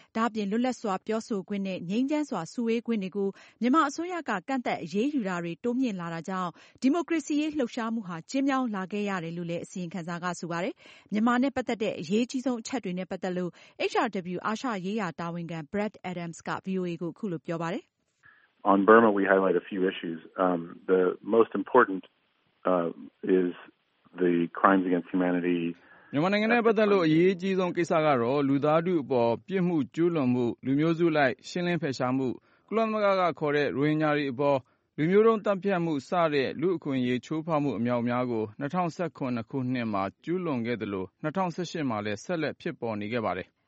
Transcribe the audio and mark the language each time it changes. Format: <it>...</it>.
<my>ဒါပြင်လွတ်လပ်စွာပြောဆိုခွင့်နဲ့ငြိမ်းချမ်းစွာစုဝေးခွင့်တွေကိုမြန်မာအစိုးရကကန့်သက်အရေးယူတာတွေတိုးမြင့်လာတာကြောင့်ဒီမိုကရေစီရေးလှုပ်ရှားမှုဟာကျင်းပလာခဲ့ရတယ်လို့လည်းအစည်းအဝေးခန်းစာကဆိုပါတယ်မြန်မာနဲ့ပတ်သက်တဲ့အရေးကြီးဆုံးအချက်တွေနဲ့ပတ်သက်လို့ HRW အာရှရေးရာတာဝန်ခံ Brad Adams က VOA ကိုခုလိုပြောပါတယ်</my> <en>On Burma, we highlight a few issues. The most important is the crimes against humanity.</en> <my>မြန်မာနိုင်ငံရဲ့ပတ်သက်လို့အရေးကြီးဆုံးကိစ္စကတော့လူသားတို့အပေါ်ပြစ်မှုကျူးလွန်မှုလူမျိုးစုလိုက်ရှင်းလင်းဖယ်ရှားမှုကုလသမဂ္ဂကခေါ်တဲ့ရိုဟင်ဂျာတွေအပေါ်လူမျိုးတုံးတပ်ဖြတ်မှုစတဲ့လူအခွင့်အရေးချိုးဖောက်မှုအများအပြားကို2019ခုနှစ်မှာကျူးလွန်ခဲ့တယ်လို့2018မှာလည်းဆက်လက်ဖြစ်ပေါ်နေခဲ့ပါတယ်</my>